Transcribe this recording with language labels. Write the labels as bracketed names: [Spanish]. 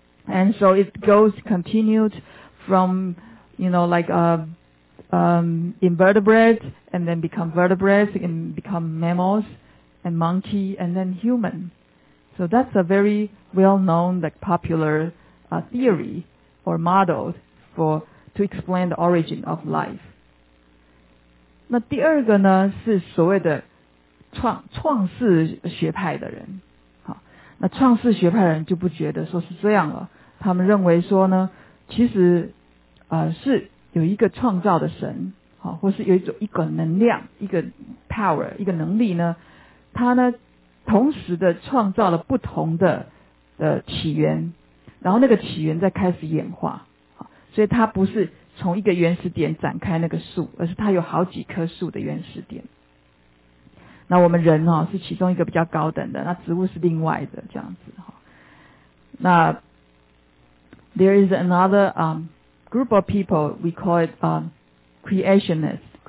[English] And so it goes continued from, you know, like invertebrates, and then become vertebrates, and become mammals, and monkey, and then human. So that's a very well-known, like popular theory or model to explain the origin of life. [Chinese] 那第二个呢是所谓的创世学派的人。好，那创世学派的人就不觉得说是这样了，他们认为说呢，其实是有一个创造的神，好，或是有一个能量，一个 power, 一个能力呢，他呢同时的创造了不同的起源，然后那个起源再开始演化，所以它不是从一个原始点展开那个树，而是它有好几棵树的原始点。那我们人是其中一个比较高等的，那植物是另外的，这样子。 [English] 那 There is another group of people, we call it creationists.